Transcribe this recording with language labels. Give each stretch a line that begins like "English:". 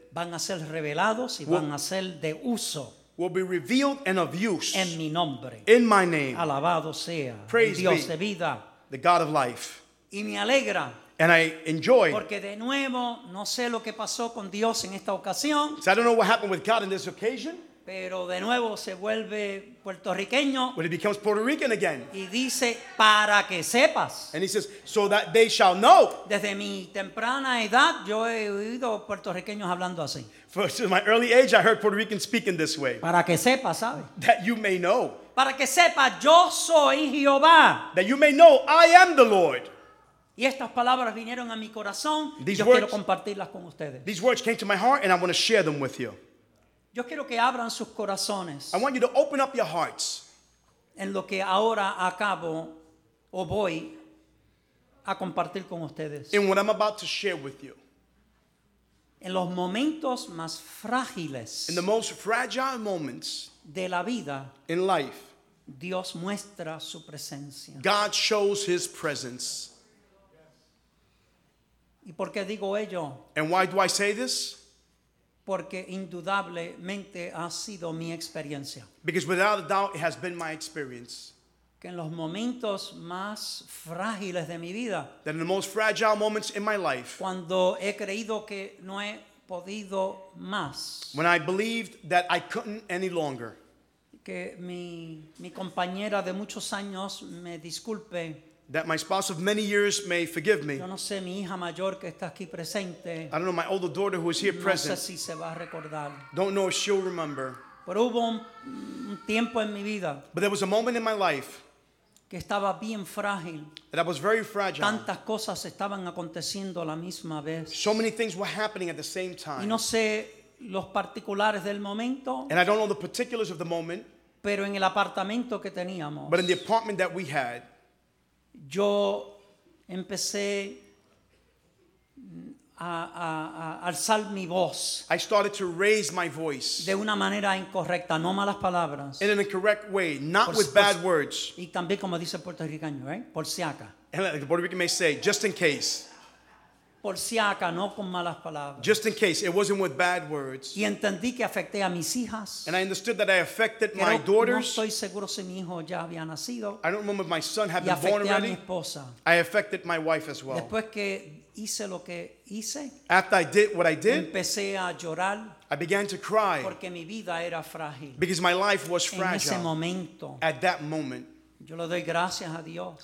Spanish: van a ser revelados y van a ser de uso.
English: Will be revealed and of use.
Spanish: En mi nombre.
English: In my name.
Spanish: Alabado sea.
English: Praise
Spanish: Dios de vida.
English: The God of life.
Spanish: Y me alegra.
English: And I enjoy.
Spanish: Porque de nuevo, no sé lo que pasó con Dios en esta ocasión.
English: So I don't know what happened with God in this occasion.
Spanish: Pero de nuevo se vuelve puertorriqueño.
English: But he becomes Puerto Rican again.
Spanish: Y dice, para que sepas.
English: And he says, so that they shall know.
Spanish: Desde mi temprana edad, yo he oído puertorriqueños hablando así.
English: From my early age, I heard Puerto Ricans speaking this way.
Spanish: Para que sepas, ¿sabes?
English: That you may know.
Spanish: Para que sepas, yo soy Jehová.
English: That you may know, I am the Lord.
Spanish: Y estas palabras vinieron a mi corazón
English: these
Spanish: y yo
English: words,
Spanish: quiero compartirlas con ustedes.
English: These words came to my heart and I want to share them with you.
Spanish: Yo quiero que abran sus corazones.
English: I want you to open up your hearts.
Spanish: En lo que ahora acabo o voy a compartir con ustedes.
English: In what I'm about to share with you.
Spanish: En los momentos más frágiles.
English: In the most fragile moments.
Spanish: De la vida.
English: In life.
Spanish: Dios muestra su presencia.
English: God shows his presence.
Spanish: ¿Y por qué digo ello?
English: And why do I say this?
Spanish: Porque indudablemente ha sido mi experiencia.
English: Because without a doubt, it has been my experience.
Spanish: Que en los momentos más frágiles de mi vida.
English: That in the most fragile moments in my life.
Spanish: Cuando he creído que no he podido más.
English: When I believed that I couldn't any longer.
Spanish: Que mi compañera de muchos años me disculpe.
English: That my spouse of many years may forgive me.
Spanish: Yo no sé, mi hija mayor que está aquí presente.
English: I don't know my older daughter who is here
Spanish: no
English: present.
Spanish: Sé si se va a recordar.
English: Don't know if she'll remember.
Spanish: Pero hubo un tiempo en mi vida.
English: But there was a moment in my life.
Spanish: Que estaba bien frágil.
English: That I was very fragile.
Spanish: Tantas cosas estaban aconteciendo a la misma vez.
English: So many things were happening at the same time.
Spanish: Y no sé los particulares del momento.
English: And I don't know the particulars of the moment.
Spanish: Pero en el apartamento que teníamos.
English: But in the apartment that we had.
Spanish: Yo empecé alzar mi voz.
English: I started to raise my voice.
Spanish: De una manera incorrecta, no malas palabras.
English: In an incorrect way, not with bad words.
Spanish: Y también como dice el puertorriqueño, ¿eh? Por si acá.
English: And like the Puerto Rican may say, just in case.
Spanish: Por si acá, no con malas palabras.
English: Just in case, it wasn't with bad words.
Spanish: Y entendí que afecté a mis hijas.
English: And I understood that I affected my daughters.
Spanish: No estoy seguro si mi hijo ya había nacido.
English: I don't remember if my son had been born already.
Spanish: Y afecté a mi esposa.
English: I affected my wife as well.
Spanish: Después que hice lo que hice,
English: after I did what I did,
Spanish: empecé a llorar,
English: I began to cry.
Spanish: Porque mi vida era frágil.
English: Because my life was fragile.
Spanish: En ese momento.
English: At that moment.
Spanish: Yo le doy gracias a Dios.